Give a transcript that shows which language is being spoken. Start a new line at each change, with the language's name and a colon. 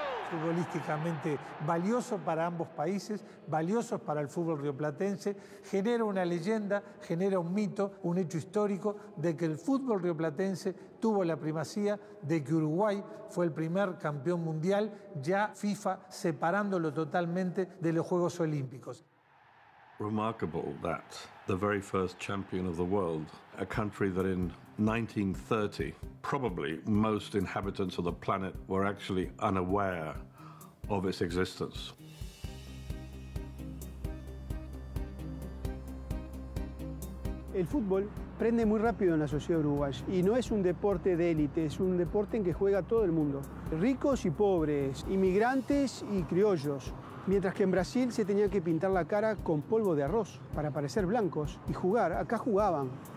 Spanish: futbolísticamente valioso para ambos países, valioso para el fútbol rioplatense, genera una leyenda, genera un mito, un hecho histórico de que el fútbol rioplatense tuvo la primacía, de que Uruguay fue el primer campeón mundial, ya FIFA separándolo totalmente de los Juegos Olímpicos.
English: Remarkable that the very first champion of the world, a country that in 1930, probably most inhabitants of the planet were actually unaware of its existence.
Spanish: El fútbol prende muy rápido en la sociedad uruguaya y no es un deporte de élite, es un deporte en que juega todo el mundo. Ricos y pobres, inmigrantes y criollos. Mientras que en Brasil se tenía que pintar la cara con polvo de arroz para parecer blancos y jugar, acá jugaban.